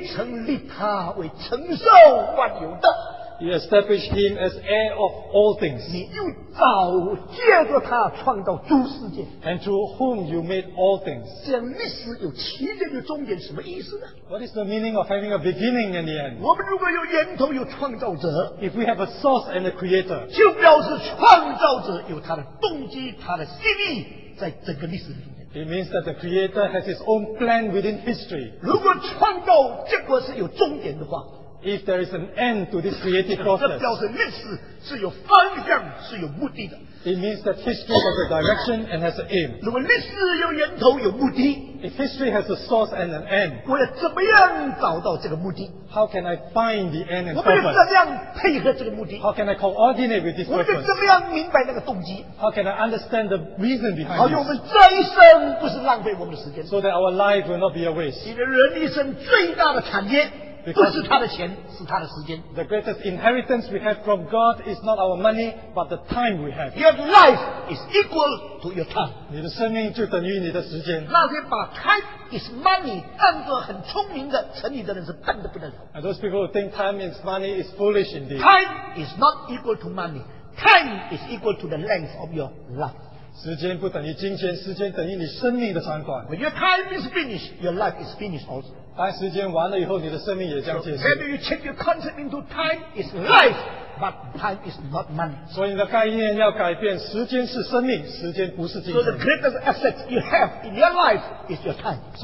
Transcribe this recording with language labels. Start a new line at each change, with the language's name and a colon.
Chinese: 你成立他为承受万有的,
English: you establish him as heir of all things.
Chinese: 你又造借着他创造诸世界,
English: and through whom you made all things.
Chinese: 这样历史有起点有终点什么意思呢?
English: What is the meaning of having a beginning and the end?
Chinese: 我们如果有源头有创造者,
English: if we have a source and a creator,
Chinese: 就表示创造者有他的动机,他的心意在整个历史里面。
English: It means that the creator has his own plan within history.
Chinese: 如果创造结果是有终点的话,
English: if there is an end to this creative process, it means that history has a direction and has an aim.
Chinese: 如果历史有源头有目的,
English: if history has a source and an end,
Chinese: 我要怎么样找到这个目的?
English: How can I find the end and purpose? How can I coordinate with this purpose? How can I understand the reason behind this? So that our life will not be a waste. Because the greatest inheritance we have from God is not our money, but the time we have. Your life is equal to your time.
Chinese: 你的生命就等于你的时间。那些把
English: time is money
Chinese: 当作很聪明的成语的人是笨得不得了。
English: And those people who think time is money is foolish indeed. Time is not equal to money. Time is equal to the length of your life.
Chinese: 时间不等于金钱, 时间等于你生命的长短。
English: When your time is finished, your life is finished also.
Chinese: 当时间完了以后，你的生命也将结束。
English: So, you check your concept into time is life, but time is not money.
Chinese: 所以你的概念要改变，时间是生命，时间不是金钱。
English: So the greatest asset you have in your life is your time.